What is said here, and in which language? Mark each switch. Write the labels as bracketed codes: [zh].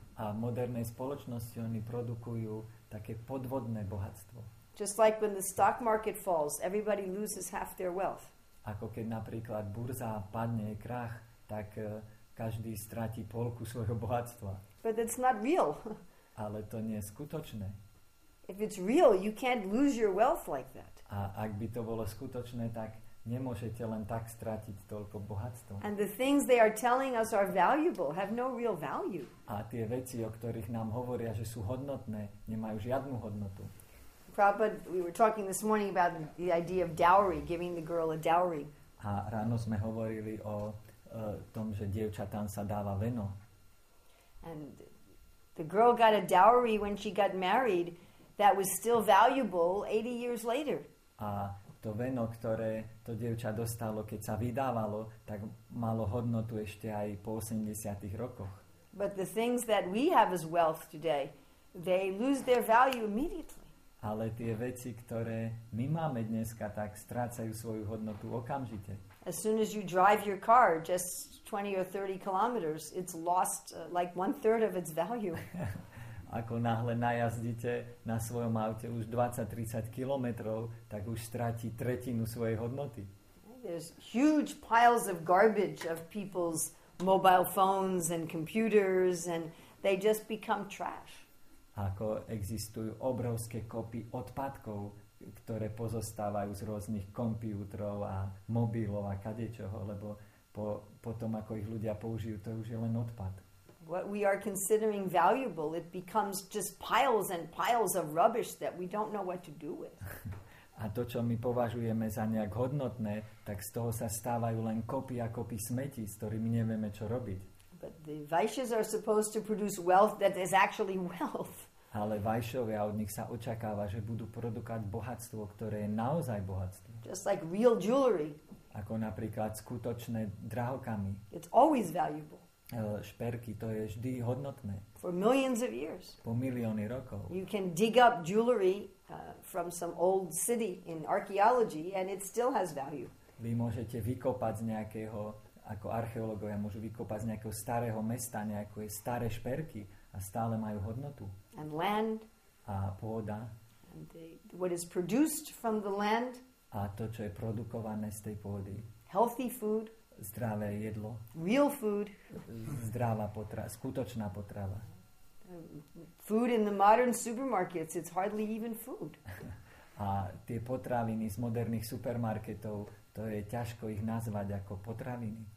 [sk] A v modernej spoločnosti oni produkujú také podvodné bohatstvo. [en] Just like when the stock market falls, everybody loses half their wealth. [sk] Ako keď napríklad burza padne, krach, tak každý stratí polku svojho bohatstva. [en] But that's not real. [sk] Ale to nie je skutočné. [en] If it's real, you can't lose your wealth like that. [sk] A ak by to bolo skutočné, tak nemôžete len tak stratiť toľko bohatstva. [en] And the things they are telling us are valuable, have no real value. [sk] A tie veci, o ktorých nám hovoria, že sú hodnotné, nemajú žiadnu hodnotu. [en] Prabhupada, we were talking this morning about the idea of dowry, giving the girl a dowry. [sk] A ráno sme hovorili o tom, že dievčatám sa dáva veno. [en] And the girl got a dowry when she got married that was still valuable 80 years later. [sk] A to veno, ktoré to dievča dostalo, keď sa vydávalo, tak malo hodnotu ešte aj po 80. rokoch. [en] But the things that we have as wealth today, they lose their value immediately. [sk] Ale tie veci, ktoré my máme dneska, tak strácajú svoju hodnotu okamžite. [en] As soon as you drive your car just 20 or 30 kilometers, it's lost like one third of its value. [sk] Ako náhle najazdíte na svojom aute už 20-30 kilometrov, tak už stratí tretinu svojej hodnoty. [en] There's huge piles of garbage of people's mobile phones and computers and they just become trash. [sk] Ako existujú obrovské kopy odpadkov, ktoré pozostávajú z rôznych kompútrov a mobilov a kadečoho, lebo potom ako ich ľudia použijú, to už je len odpad. [en] What we are considering valuable, it becomes just piles and piles of rubbish that we don't know what to do with. [sk] A to, čo my považujeme za nejak hodnotné, tak z toho sa stávajú len kopy a kopy smeti, s ktorými nevieme, čo robiť. [en] But the vaishyas are supposed to produce wealth that is actually wealth. [sk] Ale vaishyovia, od nich sa očakáva, že budú produkovať bohatstvo, ktoré je naozaj bohatstvo. [en] Just like real jewelry. [sk] Ako napríklad skutočné drahokamy. [en] It's always valuable. [sk] Šperky, to je vždy hodnotné. [en] For millions of years. [sk] Po milióny rokov. [en] You can dig up jewelry from some old city in archaeology and it still has value. [sk] Vy môžete vykopať z nejakého, ako archeológovia môžu vykopať z nejakého starého mesta nejaké staré šperky a stále majú hodnotu. [en] And land. [sk] A pôda. [en] And what is produced from the land. [sk] A to, čo je produkované z tej pôdy. [en] Healthy food. [sk] Zdravé jedlo. [en] Real food. [sk] Zdravá potrava, skutočná potrava. [en] Food in the modern supermarkets, it's hardly even food. [sk] A tie potraviny z moderných supermarketov, to je ťažko ich nazvať ako potraviny.